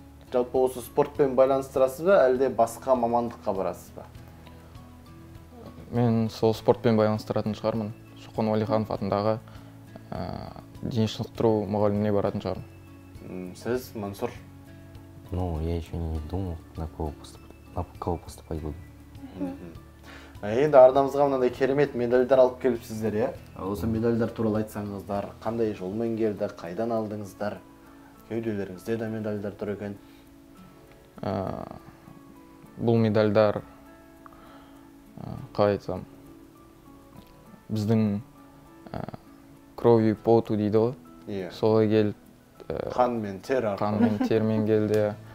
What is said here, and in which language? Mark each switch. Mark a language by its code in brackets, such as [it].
[kk] Жалпы осы спортпен байланыстырасыз ба, әлде басқа мамандыққа барасыз ба? Мен сол спортпен байланыстыратын шығармын. Шоқан Уәлиханов атындағы дене шынықтыру мұғаліміне баратын шығармын. Сіз, Мансур? [ru] Ну, я еще не думал, на кого поступать буду. [kk] Енді арнамызға мынандай керемет медальдар алып келіпсіздер, иә? Осы медальдар туралы айтсаңыздар, қандай жолмен келді, қайдан алдыңыздар? Кеуделеріңізде де медальдар тұр екен. Бұл медальдар қалай айтсам, біздің [ru] кровью поту [kk] дейді ғой, солай келіп қан мен термен келді.